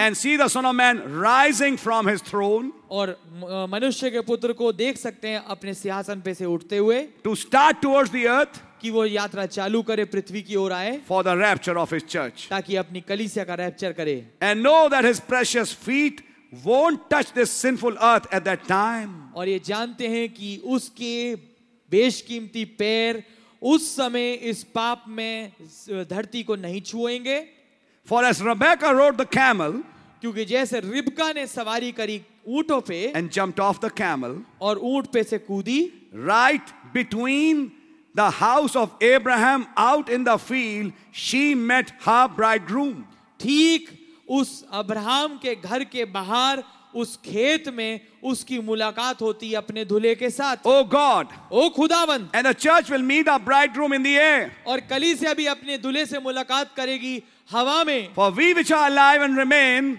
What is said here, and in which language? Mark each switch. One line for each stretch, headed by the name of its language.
English: And see the Son of Man rising from His throne.
Hindi: और मनुष्य के पुत्र को देख सकते हैं अपने सिंहासन पे से उठते हुए.
English: To start towards the earth.
Hindi: कि वो यात्रा चालू करे पृथ्वी की ओर आए.
English: For the rapture of His church.
Hindi: ताकि अपनी कलीसिया का रैप्चर करे.
English: And know that His precious feet won't touch this sinful earth at that time.
Hindi: और ये जानते हैं कि उसके बेशकीमती पैर उस समय इस पाप में धरती को नहीं छुएंगे.
English: For as Rebecca rode the camel,
Hindi: क्योंकि जैसे रिबका ने सवारी करी ऊंटों पे,
English: and jumped off the camel,
Hindi: और ऊंट पे से कूदी,
English: right between the house of Abraham out in the field, she met her bridegroom.
Hindi: ठीक उस अब्राहम के घर के बाहर उस खेत में उसकी मुलाकात होती अपने दूल्हे के साथ.
English: oh God,
Hindi: ओ खुदावन,
English: And the church will meet the bridegroom in the air.
Hindi: और कलीसिया भी अपने दूल्हे से मुलाकात करेगी हवा में.
English: for we which are alive and remain,